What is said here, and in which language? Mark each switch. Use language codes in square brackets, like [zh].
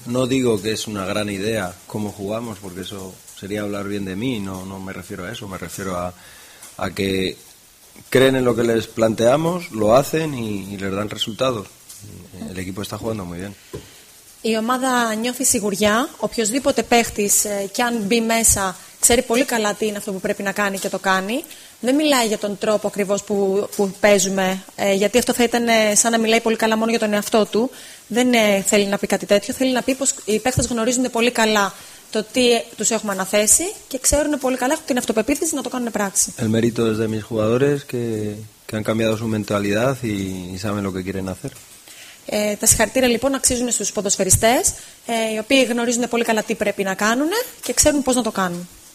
[es] No digo que es una gran idea cómo jugamos, porque eso sería hablar bien de mí. No me refiero a eso. Me refiero a que creen en lo que les planteamos, lo hacen y les dan resultados. El equipo está jugando muy bien. [el] Η ομάδα νιώθει σιγουριά. Οποιοσδήποτε παίχτης κι αν μπει μέσα ξέρει πολύ καλά τι είναι αυτό που πρέπει να κάνει και το κάνει. Δεν μιλάει για τον τρόπο ακριβώς που παίζουμε, γιατί αυτό θα ήταν σαν να μιλάει πολύ καλά μόνο για τον εαυτό του. Δεν θέλει να πει κάτι τέτοιο. Θέλει να πει πως οι παίχτες γνωρίζουν πολύ καλά το τι τους έχουμε αναθέσει και ξέρουν πολύ καλά, έχουν την αυτοπεποίθηση να το κάνουν πράξη. [es] El mérito es de mis jugadores que han cambiado su mentalidad y saben lo que quieren hacer. [el] Τα συγχαρητήρια λοιπόν αξίζουν στους ποδοσφαιριστές, οι οποίοι γνωρίζουν πολύ καλά τι πρέπει να κάνουν και ξέρουν πώς να το κάνουν.